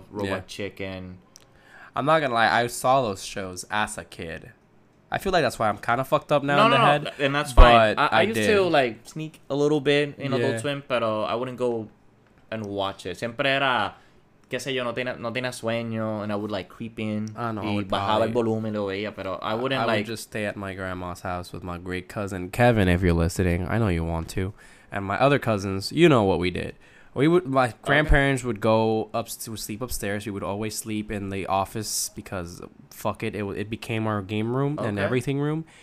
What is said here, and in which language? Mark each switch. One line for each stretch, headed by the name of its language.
English: Robot Chicken. I'm not gonna lie, I saw those shows as a kid. I feel like that's why I'm kind of fucked up now. No, in the head. And that's fine. I used to like sneak a little bit in Adult Swim, but I wouldn't go and watch it.
Spanish: Siempre era. Que sé yo, no tenía sueño,
English: and I would, like, creep in. I know,
Spanish: y bajaba el volumen, lo veía, pero
English: I wouldn't, I like... I would just stay at my grandma's house with my great cousin, Kevin, if you're listening. I know you want to. And my other cousins, you know what we did. My grandparents would go up to sleep upstairs. We would always sleep in the office because, fuck it, it became our game room and everything room.